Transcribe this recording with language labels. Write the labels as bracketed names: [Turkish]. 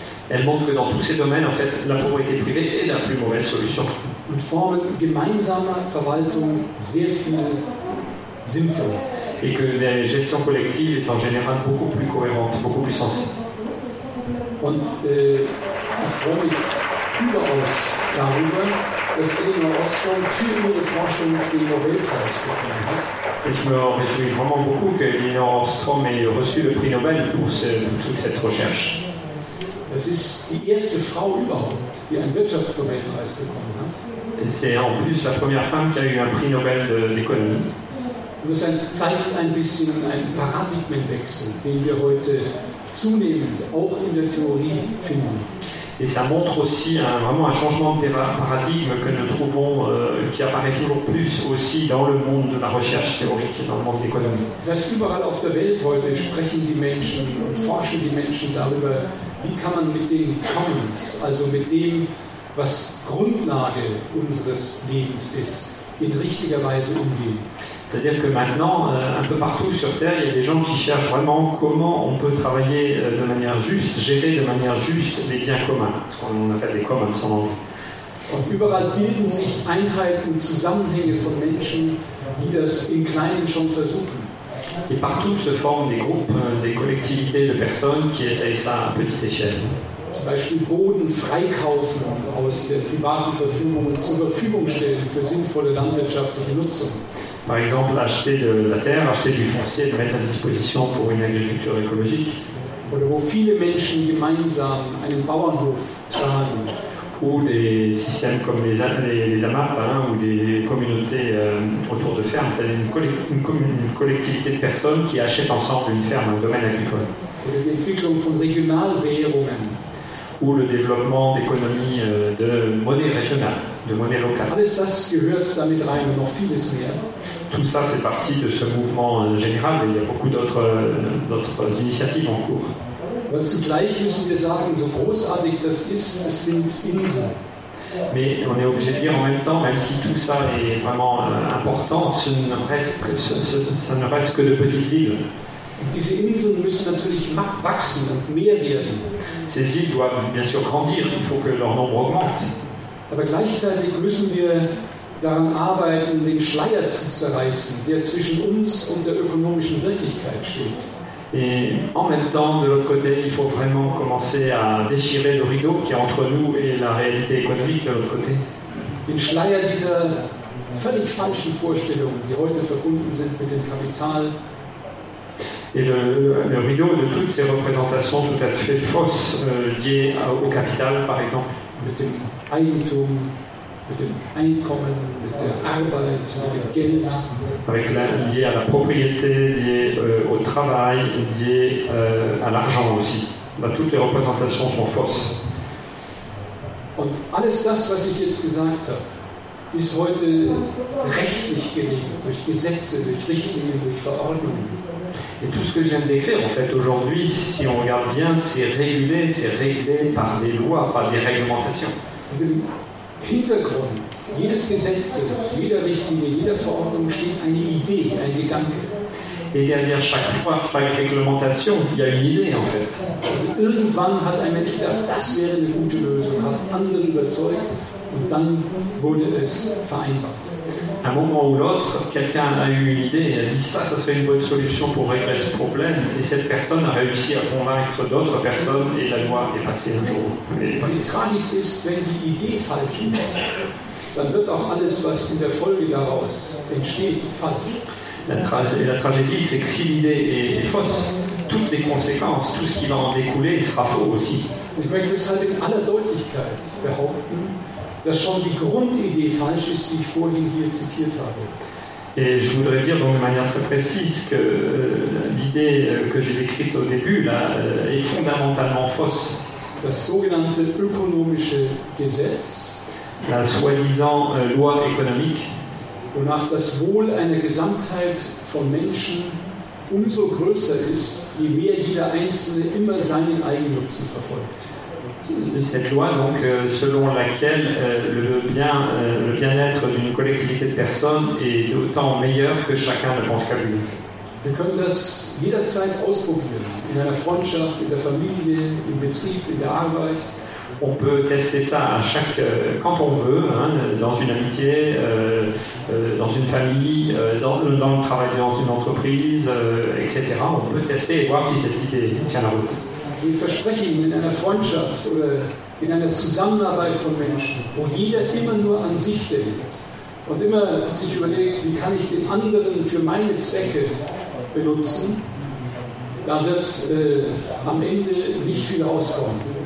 [French] Elle montre que dans tous ces domaines, en fait, la propriété privée est la plus mauvaise solution. [German] Und formen gemeinsamer Verwaltung sehr viel sinnvoll. [French] Et que la gestion collective est en général beaucoup plus cohérente, beaucoup plus sensible. [German] Und ich freue mich überaus darüber, dass Elinor Ostrom für ihre Forschung den Nobelpreis bekommen hat. [French] Ich me réjouis vraiment beaucoup que Elinor Ostrom ait reçu le prix Nobel pour toute cette recherche. [German] Es ist die erste Frau überhaupt, die einen Wirtschaftsnobelpreis bekommen hat. [French] Et c'est en plus la première femme qui a eu un prix Nobel d'économie. [German] Und es zeigt ein bisschen einen Paradigmenwechsel, den wir heute zunehmend auch in der Theorie finden. [French] Et ça montre aussi hein, vraiment un changement de paradigme que nous trouvons, qui apparaît toujours plus aussi dans le monde de la recherche théorique, dans le monde de l'économie. [German] Das heißt, überall auf der Welt heute sprechen die Menschen und forschen die Menschen darüber, wie kann man mit den Commons, also mit dem, was Grundlage unseres Lebens ist, in richtiger Weise umgehen. [French] C'est-à-dire que maintenant, un peu partout sur Terre, il y a des gens qui cherchent vraiment comment on peut travailler de manière juste, gérer de manière juste les biens communs, ce qu'on appelle les commons en anglais. [German] Und überall bilden sich Einheiten, Zusammenhänge von Menschen, die das in kleinen schon versuchen. [French] Et partout se forment des groupes, des collectivités de personnes qui essayent ça à petite échelle. [German] Zum Beispiel Boden freikaufen aus der privaten Verfügung zur Verfügung stellen für sinnvolle landwirtschaftliche Nutzung. [French] Par exemple, acheter de la terre, acheter du foncier, le mettre à disposition pour une agriculture écologique. [German] Oder wo viele Menschen gemeinsam einen Bauernhof tragen. [French] Ou des systèmes comme les AMAP, hein, ou des communautés autour de fermes, c'est-à-dire une collectivité de personnes qui achètent ensemble une ferme, un domaine agricole. [German] Oder die Entwicklung von Regionalwährungen. [French] Ou le développement d'économies de monnaie régionale, de monnaie locale. [German] Alles das gehört damit rein, noch vieles mehr. [French] Tout ça fait partie de ce mouvement général, et il y a beaucoup d'autres initiatives en cours. [German] Aber zugleich müssen wir sagen, so großartig das ist, es sind Inseln. [French] Mais on est obligé de dire en même temps, même si tout ça est vraiment important, ce ne reste que de petites îles. [German] Diese Inseln müssen natürlich wachsen und mehr werden. [French] Ces îles doivent bien sûr grandir, il faut que leur nombre augmente. [German] Aber gleichzeitig müssen wir daran arbeiten, den Schleier zu zerreißen, der zwischen uns und der ökonomischen Wirklichkeit steht. [French] Et en même temps, de l'autre côté, il faut vraiment commencer à déchirer le rideau qui est entre nous et la réalité économique de l'autre côté. [German] Den Schleier dieser völlig falschen Vorstellungen, die heute verbunden sind mit dem Kapital. [French] Et le rideau de toutes ces représentations tout à fait fausses liées au capital, par exemple. [German] Mit dem Eigentum, mit dem Einkommen, mit der Arbeit, mit dem Geld. [French] Avec lié à la propriété, lié au travail, lié à l'argent aussi. Bah, toutes les représentations sont fausses. [German] Und alles das, was ich jetzt gesagt habe, ist heute rechtlich geregelt, durch Gesetze, durch Richtlinien, durch Verordnungen. [French] Et tout ce que je viens de décrire, en fait, aujourd'hui, si on regarde bien, c'est réglé par des lois, par des réglementations. [German] Hintergrund jedes Gesetzes, jeder Richtlinie, jeder Verordnung steht eine Idee, ein Gedanke. [French] Et derrière chaque loi, chaque réglementation, il y a une idée en fait. [German] Also, irgendwann hat ein Mensch gedacht, das wäre eine gute Lösung, hat andere überzeugt und dann wurde es vereinbart. [French] À un moment ou l'autre, quelqu'un a eu une idée et a dit ça, ça serait une bonne solution pour régler ce problème, et cette personne a réussi à convaincre d'autres personnes et la loi est passée un jour. [German] Die Tragik ist, wenn die Idee falsch ist, dann wird auch alles, was in der Folge daraus entsteht, falsch. [French] La tragédie, c'est que si l'idée est fausse, toutes les conséquences, tout ce qui va en découler sera faux aussi. [German] Ich möchte es halt in aller Deutlichkeit behaupten, dass schon die Grundidee falsch ist, die ich vorhin hier zitiert habe. [French] Et je voudrais dire d'une manière très précise que l'idée que j'ai décrite au début là, est fondamentalement fausse. [German] Das sogenannte ökonomische Gesetz, [French] la soi-disant loi économique, [German] wonach das Wohl einer Gesamtheit von Menschen umso größer ist, je mehr jeder Einzelne immer seinen Eigennutzen verfolgt. [French] Cette loi, donc, selon laquelle le bien-être d'une collectivité de personnes est d'autant meilleur que chacun ne pense qu'à lui. [German] Wir können das jederzeit ausprobieren, in einer Freundschaft, in der Familie, im Betrieb, in der Arbeit. [French] On peut tester ça à chaque, quand on veut, hein, dans une amitié, dans une famille, dans le travail, dans une entreprise, etc. On peut tester et voir si cette idée tient la route. [German] Wir versprechen in einer Freundschaft oder in einer Zusammenarbeit von Menschen, wo jeder immer nur an sich denkt und immer sich überlegt, wie kann ich den anderen für meine Zwecke benutzen, da wird am Ende nicht viel rauskommen.